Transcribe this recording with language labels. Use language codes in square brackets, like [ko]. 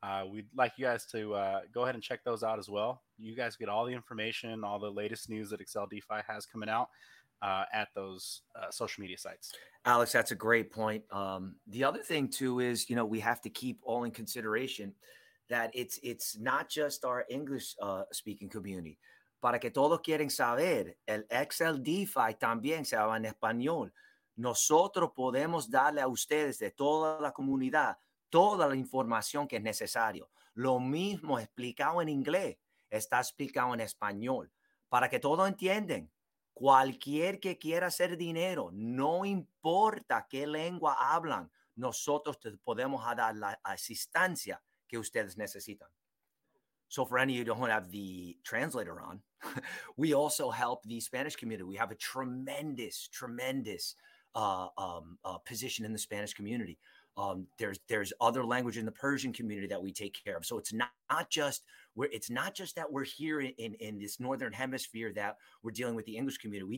[en] We'd like you guys to go ahead and check those out as well. You guys get all the information, all the latest news that Accel DeFi has coming out. At those social media sites. Alex, that's a great point. The other thing too is, you know, we have to keep all in consideration that it's not just our English speaking community. [es] Para que todos quieran saber, el Accel DeFi también se habla en español. Nosotros podemos darle a ustedes de toda la comunidad toda la información que es necesario. Lo mismo explicado en inglés está explicado en español. para que todos entiendan, cualquier que quiera hacer dinero, no importa qué lengua hablan, nosotros te podemos dar la asistencia que ustedes necesitan. [en] So for any of you who don't have the translator on, we also help the Spanish community. We have a tremendous, tremendous position in the Spanish community. There's other language in the Persian community that we take care of. So it's not just that we're here in this Northern Hemisphere that we're dealing with the English community.